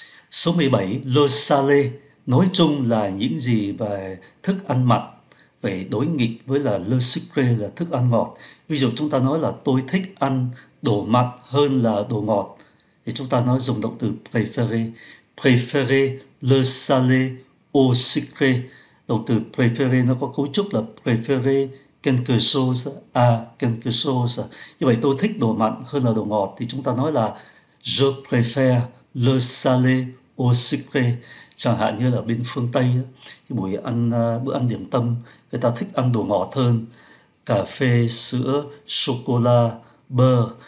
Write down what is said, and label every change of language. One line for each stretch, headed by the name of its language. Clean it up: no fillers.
Vietnamese: Số 17, lô sa lê, nói chung là những gì về thức ăn mặn, về đối nghịch với là lô sucré là thức ăn ngọt. Ví dụ chúng ta nói là tôi thích ăn đồ mặn hơn là đồ ngọt, thì chúng ta nói dùng động từ préférer,
French: préférer le salé au sucré.
Vietnamese: Động từ préférer nó có cấu trúc là
French: préférer quelque chose à quelque chose.
Vietnamese: Như vậy tôi thích đồ mặn hơn là đồ ngọt thì chúng ta nói là
French: je préfère le salé au sucré.
Vietnamese: Chẳng hạn như là bên phương Tây, bữa ăn điểm tâm, người ta thích ăn đồ ngọt hơn, cà phê, sữa, sô-cô-la, bơ.